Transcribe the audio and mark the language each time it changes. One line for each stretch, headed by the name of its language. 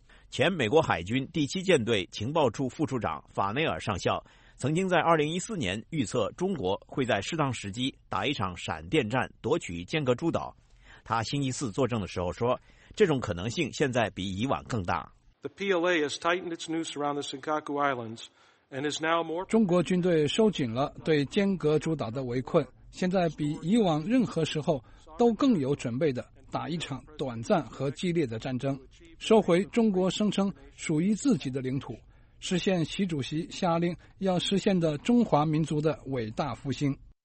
Chinese: 前美国海军第七舰队情报处副处长法内尔上校曾经在2014年预测中国会在适当时机打一场闪电战夺取尖阁诸岛，他星期四作证的时候说，这种可能性现在比以往更大。
English: The PLA has tightened its noose around the Senkaku Islands and is now more.
Chinese: 中国军队收紧了对尖阁诸岛的围困，现在比以往任何时候都更有准备的打一场短暂和激烈的战争，收回中国声称属于自己的领土，实现习主席下令要实现的中华民族的伟大复兴。